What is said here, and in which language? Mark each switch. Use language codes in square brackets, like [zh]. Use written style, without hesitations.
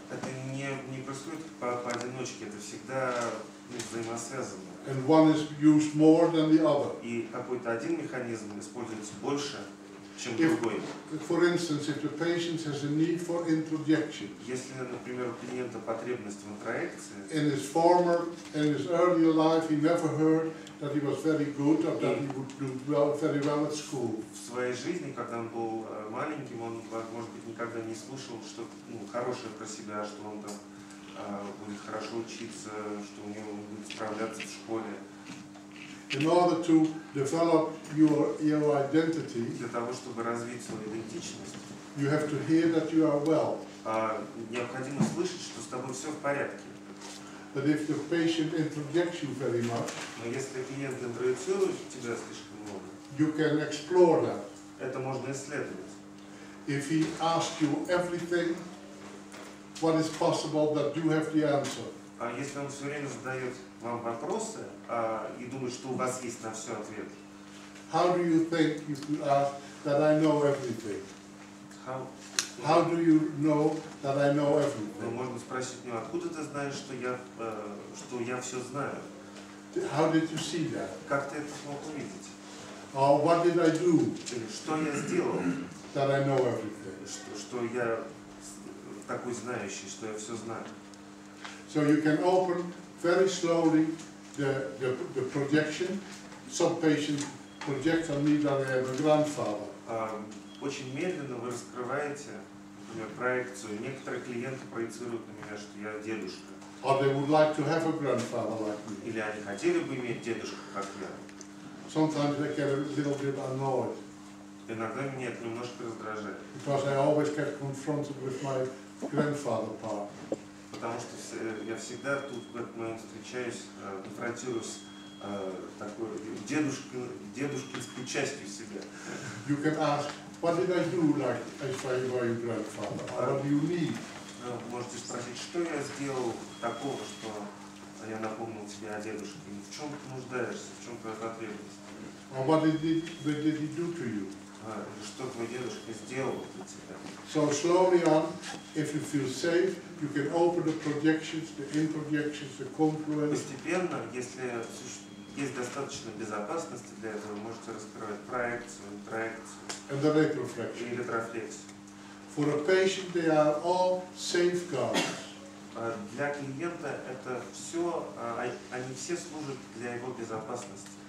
[ru] Это не происходит поодиночке, это всегда взаимосвязано. [en] And one is used more than the other. [ru] И какой-то один механизм используется больше, чем другой. [en] For instance, if the patient has a need for introjection, [ru] если, например, у клиента потребность в интроекции, [en] in his former and his earlier life he never heard that he was very good or that he would do well, very well at school. [ru] В своей жизни, когда он был маленьким, он, может быть, никогда не слышал, что, ну, хорошее про себя, что он там будет хорошо учиться, что у него будет справляться в школе. [en] In order to develop your identity, [ru] для того чтобы развить свою идентичность, [en] you have to hear that you are well. [ru] Необходимо слышать, что с тобой все в порядке. [en] But if the patient interjects you very much, [ru] но если клиент интроецирует тебя слишком много, [en] you can explore that. [ru] Это можно исследовать. [en] If he asks you everything, what is possible that you have the answer? [ru] А если он все время задает вам вопросы и думает, что у вас есть на все ответ? [en] How do you think if you ask that I know everything? How do you know that I know everything? [ru] Можно спросить у него, откуда ты знаешь, что я все знаю? [en] How did you see that? [ru] Как ты это смог увидеть? [en] What did I do? [ru] Что я сделал? [en] That I know everything. [ru] Что я такой знающий, что я все знаю. [en] So you can open very slowly the projection. Some patients project on me that I am a grandfather. [ru] Очень медленно вы раскрываете, например, проекцию. Некоторые клиенты проецируют на меня, что я дедушка. [en] Or they would like to have a grandfather like me. [ru] Или они хотели бы иметь дедушку, как я. [en] Sometimes they get a little bit annoyed. [ru] Иногда меня это немножко раздражает. [en] Because I always get confronted with my grandfather part. [ru] Потому что я всегда тут в этот момент встречаюсь, конфронтируюсь такой дедушкинской частью себя. [en] You can ask, what did I do like if I were your grandfather? What do you need? [ru] Можете спросить, что я сделал такого, что я напомнил тебе о дедушке? В чем ты нуждаешься? В чем твоя потребность? [en] What did he do to you? [ru] Что твой дедушка сделал для тебя? [en] So slowly on, if you feel safe, you can open the projections, the introjections, the confluence. [ru] Постепенно, если есть достаточно безопасности для этого, вы можете раскрывать проекцию, интроекцию. [en] And the retroflexion. [ru] И ретрофлексию. [en] For a patient, they are all safeguards. [ru] Для клиента это все, они все служат для его безопасности.